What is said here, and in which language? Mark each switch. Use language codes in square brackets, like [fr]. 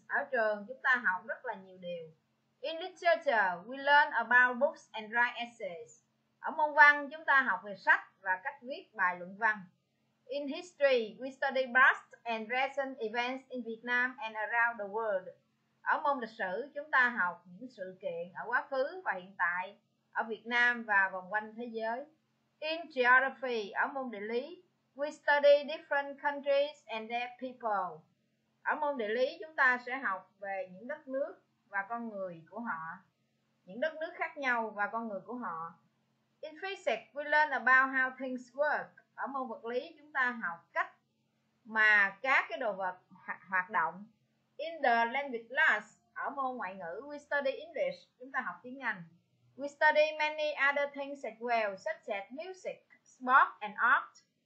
[vi] Ở trường, chúng ta học rất là nhiều điều. [en] In literature, we learn about books and write essays. [vi] Ở môn văn, chúng ta học về sách và cách viết bài luận văn. [en] In history, we study past and recent events in Vietnam and around the world. [vi] Ở môn lịch sử, chúng ta học những sự kiện ở quá khứ và hiện tại, ở Việt Nam và vòng quanh thế giới. [en] In geography, [vi] ở môn địa lý, [en] we study different countries and their people. [vi] Ở môn địa lý, chúng ta sẽ học về những đất nước và con người của họ. Những đất nước khác nhau và con người của họ. [en] In physics, we learn about how things work. [vi] Ở môn vật lý, chúng ta học cách mà các cái đồ vật hoạt động. [en] In the language class, [vi] ở môn ngoại ngữ, [en] we study English. [vi] Chúng ta học tiếng Anh. [en] We study many other things as well, such as music, sport and art.